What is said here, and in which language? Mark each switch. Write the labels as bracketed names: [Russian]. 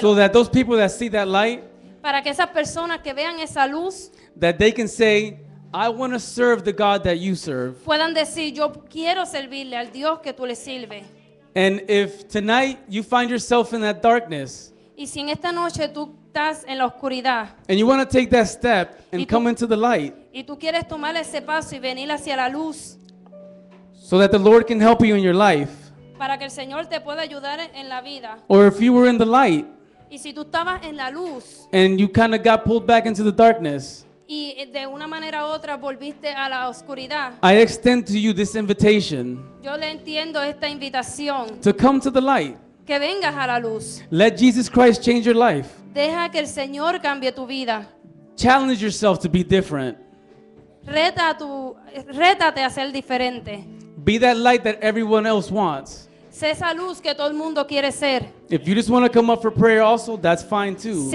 [English] So that those people that see that light, [Spanish] para que esas personas que vean esa luz, [English] that they can say, I want to serve the God that you serve. [Spanish] Puedan decir, yo quiero servirle al Dios que tú le sirves. [English] And if tonight you find yourself in that darkness, [Spanish] y si en esta noche tú estás en la oscuridad, [English] and you want to take that step and come into the light, [Spanish] y tú quieres tomar ese paso y venir hacia la luz, [English] so that the Lord can help you in your life, [Spanish] para que el Señor te pueda ayudar en la vida, [English] or if you were in the light, [Spanish] y si tú estabas en la luz, [English] and you kind of got pulled back into the darkness, [Spanish] y de una manera u otra volviste a la oscuridad, [English] I extend to you this invitation. [Spanish] Yo le entiendo esta invitación. [English] To come to the light. [Spanish] Que vengas a la luz. [English] Let Jesus Christ change your life. [Spanish] Deja que el Señor cambie tu vida. [English] Challenge yourself to be different. [Spanish] Rétate a ser diferente. [English] Be that light that everyone else wants. [Spanish] Sé esa luz que todo el mundo quiere ser. [English] If you just want to come up for prayer also, that's fine too.